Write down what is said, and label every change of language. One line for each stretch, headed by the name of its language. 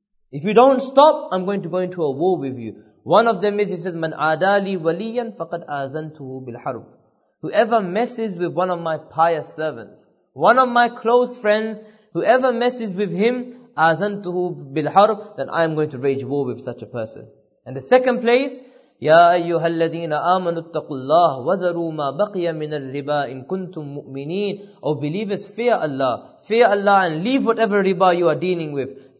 English: If you don't stop, I'm going to go into a war with you. One of them is, he says,
Arabic: مَنْ عَادَى لِي وَلِيًّا فَقَدْ آذَنْتُهُ بِالْحَرُبِ.
English: Whoever messes with one of my pious servants, one of my close friends, whoever messes with him,
Arabic: أَذَنْتُهُ بِالْحَرْبِ,
English: then I am going to rage war with such a person. And the second place,
Arabic: يَا أَيُّهَا الَّذِينَ آمَنُوا اتَّقُوا اللَّهُ وَذَرُوا مَا بَقِيَ مِنَ الرِّبَىٰ إِن كُنْتُم مُؤْمِنِينَ.
English: Oh believers, fear Allah. Fear Allah and leave whatever riba you are dealing with.